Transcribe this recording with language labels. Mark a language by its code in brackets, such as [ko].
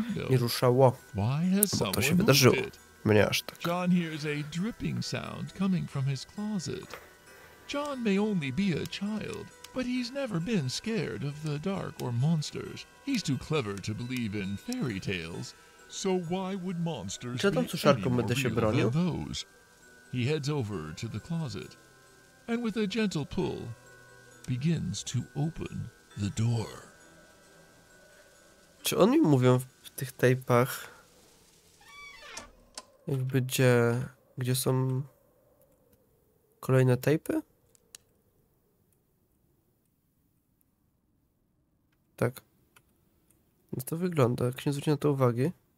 [pl] Nie ruszało, bo to się wydarzyło. Mnie aż tak. [en] John hears a dripping sound coming from his closet. John may only be a child, but he's never been scared of the dark or monsters. He's too clever to believe in fairy tales. So why would monsters be any more real than those? He heads over to the closet, and with a gentle pull, begins to open the door. [pl] Czy oni mówią w tych tapach? Jakby gdzie są kolejne tape'y? Tak. No to wygląda, jak się zwróci na to uwagi.